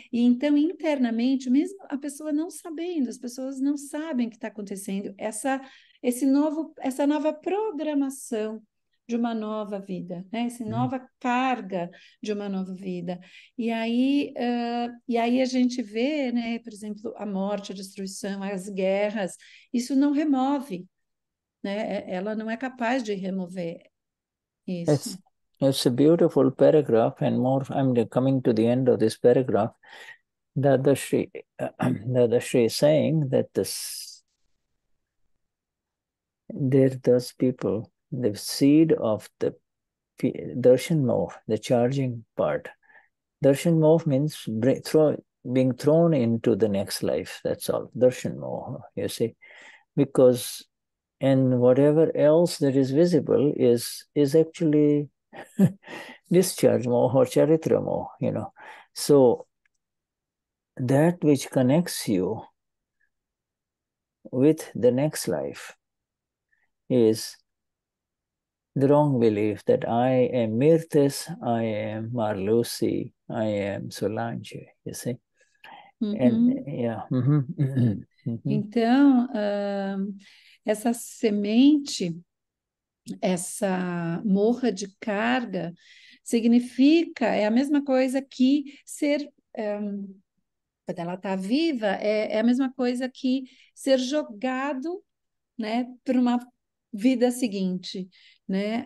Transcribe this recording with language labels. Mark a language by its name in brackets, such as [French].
[Portuguese] E então, internamente, mesmo a pessoa não sabendo, as pessoas não sabem o que está acontecendo, essa nova programação de uma nova vida, né? Essa nova carga de uma nova vida. E aí a gente vê, né? Por exemplo, a morte, a destruição, as guerras, isso não remove, né? Ela não é capaz de remover isso. [English] It's a beautiful paragraph, and more, I'm coming to the end of this paragraph. Dadashri is saying that there are those people, the seed of the darshan moh, the charging part. Darshan moh means being thrown into the next life. That's all. Darshan moh, you see. Because, and whatever else that is visible is actually discharge moh or charitra moh, you know. So, that which connects you with the next life is the wrong belief that I am Mirthis, I am Marlusi, I am Solange, you see? Uhum. And, yeah. Uhum. Uhum. [Portuguese] Então, essa semente, essa morra de carga, significa, é a mesma coisa que ser... quando ela está viva, é a mesma coisa que ser jogado, né, para uma vida seguinte, né?